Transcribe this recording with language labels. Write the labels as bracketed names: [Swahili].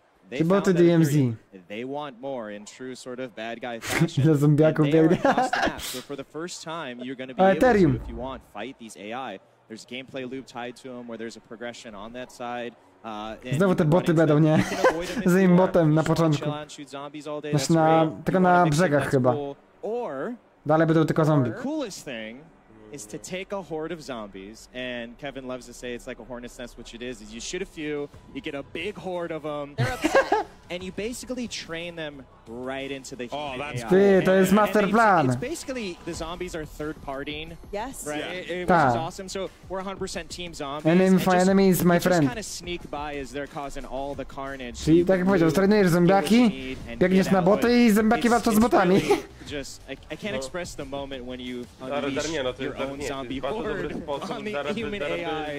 [Polish] Czy boty DMZ? [English] They want more in true sort of bad guy fashion. So for the first time you're going to be able to, if you want, fight these AI. There's a gameplay loop tied to them where there's a progression on that side. [Polish] Znowu te boty będą, nie? Z im botem na początku. Znaczy na, tylko na brzegach chyba. Dalej będą tylko zombie. [English] Is to take a horde of zombies, and Kevin loves to say it's like a hornet's nest, which it is you shoot a few, you get a big horde of them, and you basically train them right into the human AI. [Polish] Ty, to jest [English] master plan. It's basically, the zombies are third-partying. Yes. Right? Yeah. It was awesome, so we're 100% team zombies. Enemy my enemy is my friend. Just kind of sneak by as they're causing all the carnage. [Polish] Czyli tak jak powiedział, trenujesz zębiaki, biegniesz na boty i zębiaki walczą z botami. [English] Just, I can't express the moment when you unleash your own zombie horde on the human AI.